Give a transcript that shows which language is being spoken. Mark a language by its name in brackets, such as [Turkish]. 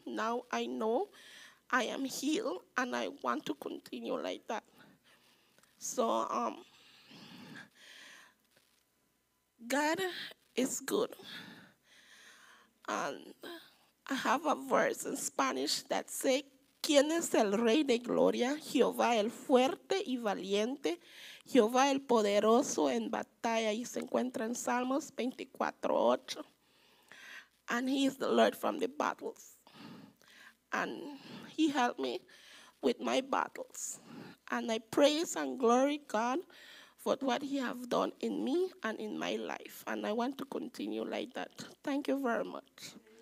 [English] Now I know I am healed and I want to continue like that. So God is good. And I have a verse in Spanish that says, [Spanish] ¿Quién es el Rey de Gloria? Jehová el fuerte y valiente, Jehová el poderoso en batalla. Y se encuentra en Salmos 24:8. [English] And he is the Lord from the battles. And he helped me with my battles. And I praise and glory God for what he has done in me and in my life. And I want to continue like that. Thank you very much.